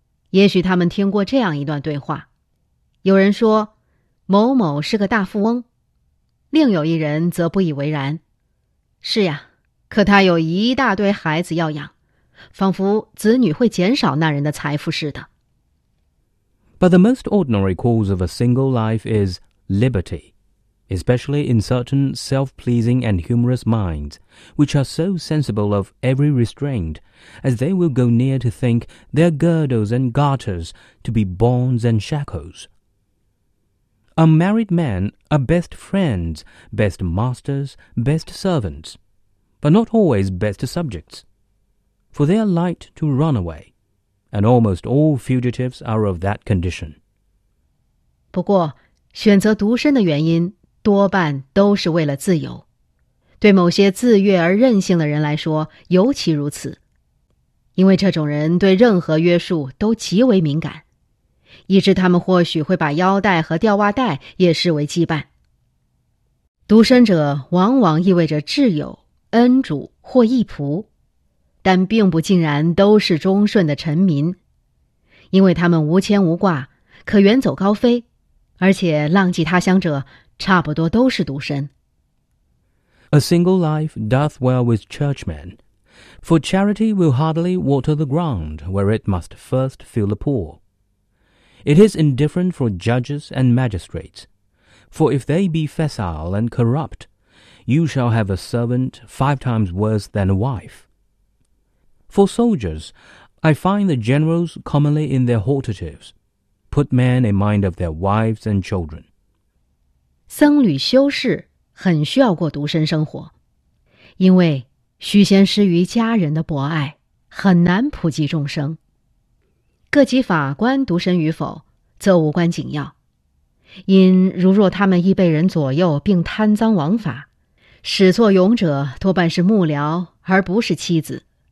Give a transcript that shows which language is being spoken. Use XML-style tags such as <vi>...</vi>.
<zh>也许他们听过这样一段对话。有人说，某某是个大富翁，另有一人则不以为然。是呀，可他有一大堆孩子要养，仿佛子女会减少那人的财富似的。</zh> <en>But the most ordinary cause of a single life is liberty, especially in certain self-pleasing and humorous minds, which are so sensible of every restraint, as they will go near to think their girdles and garters to be bonds and shackles. Unmarried men are best friends, best masters, best servants, but not always best subjects, for they are light to run away, and almost all fugitives are of that condition.</en> <zh>不过，选择独身的原因多半都是为了自由，对某些自虐而任性的人来说尤其如此，因为这种人对任何约束都极为敏感。以致他们或许会把腰带和吊袜带也视为羁绊。独身者往往意味着挚友、恩主或义仆，但并不尽然都是忠顺的臣民，因为他们无牵无挂，可远走高飞，而且浪迹他乡者差不多都是独身。</zh> <en>A single life doth well with churchmen, for charity will hardly water the ground where it must first fill the pool. It is indifferent for judges and magistrates, for if they be facile and corrupt, you shall have a servant five times worse than a wife. For soldiers, I find the generals commonly in their hortatives, put men in mind of their wives and children.</en> <zh>僧侣修士很需要过独身生活，因为虚先失于家人的博爱，很难普及众生。各级法官独身与否，则无关紧要。因如若他们亦被人左右并贪赃枉法，始作俑者多半是幕僚而不是妻子。</zh>